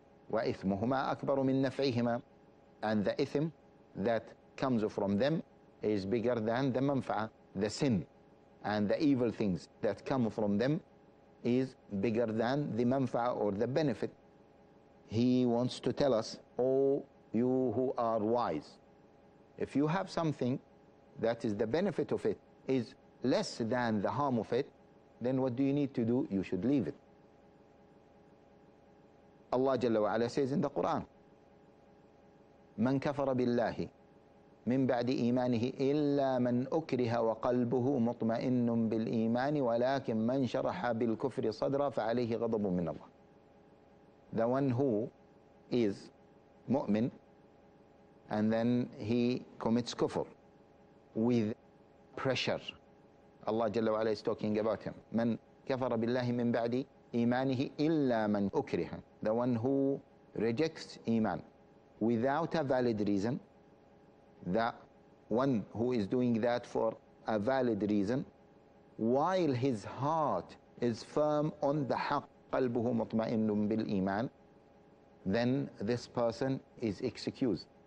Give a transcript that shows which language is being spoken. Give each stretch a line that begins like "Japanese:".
Arabic: وإثمهما أكبر من نفعهما,
English: and the إثم that comes from them is bigger than the منفعة, the sin, and the evil things that come from them is bigger than the منفعة or the benefit. He wants to tell us, you who are wise, if you have something that is the benefit of it is less than the harm of it, then what do you need to do? You should leave it. Allah Jalla wa Ala says in the Quran,
Arabic: من كفر بالله من بعد إيمانه إلا من أكره وقلبه مطمئن بالإيمان ولكن من شرح بالكفر صدرا فعليه غضب من الله.
English: The one who is mu'min and then he commits kufr with pressure, Allah Jalla wa Ala is talking about him.
Arabic: من كفر بالله من بعد إيمانه إلا من أكره.
English: The one who rejects iman without a valid reason, the one who is doing that for a valid reason, while his heart is firm on the haq,
Arabic: قلبه مطمئن بالإيمان,
English: then this person is excused.